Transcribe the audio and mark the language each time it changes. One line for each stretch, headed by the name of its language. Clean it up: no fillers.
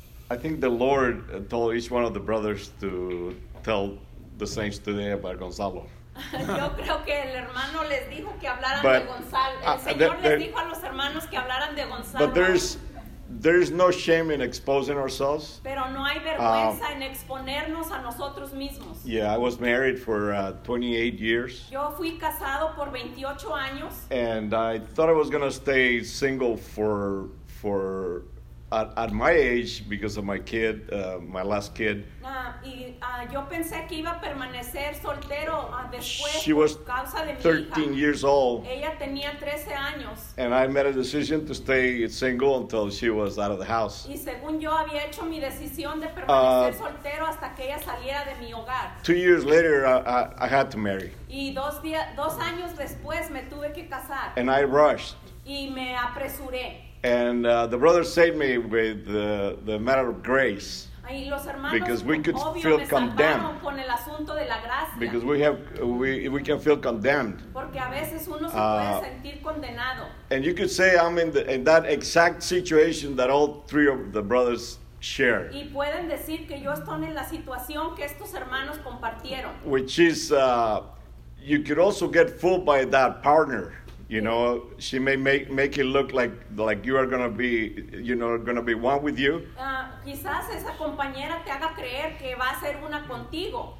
English: I think the Lord told each one of the brothers to tell the saints today about Gonzalo.
Spanish: Yo creo que el hermano les dijo que hablaran but, de Gonzalo. El Señor les dijo a los hermanos que hablaran de Gonzalo.
English: But there's no shame in exposing ourselves.
Spanish: Pero no hay vergüenza en exponernos a nosotros mismos.
English: Yeah, I was married for 28 years.
Spanish: Yo fui casado por 28 años.
English: And I thought I was going to stay single for at my age because of my kid, my last kid.
Spanish: Yo pensé que iba a permanecer soltero después
English: she was
Spanish: por causa de
English: 13
Spanish: mi hija.
English: Years old.
Spanish: Ella tenía 13 años.
English: And I made a decision to stay single until she was out of the house.
Spanish: Y según yo había hecho mi decisión de permanecer soltero hasta que ella saliera de mi hogar.
English: 2 years later, I had to marry.
Spanish: Y dos años después me tuve que casar.
English: And I rushed.
Spanish: Y me apresuré.
English: And the brothers saved me with the matter of grace.
Spanish: Y los hermanos,
English: because we could
Spanish: obvio,
English: feel condemned.
Spanish: Con el asunto de la gracia.
English: Because we can feel condemned.
Spanish: Porque a veces uno se puede sentir condenado.
English: And you could say I'm in that exact situation that all three of the brothers share.
Spanish: Y pueden decir que yo estoy en la situación que estos hermanos compartieron.
English: Which is, you could also get fooled by that partner. You know, she may make it look like you are gonna be one with you.
Spanish: Quizás esa compañera te haga creer que va a ser una contigo.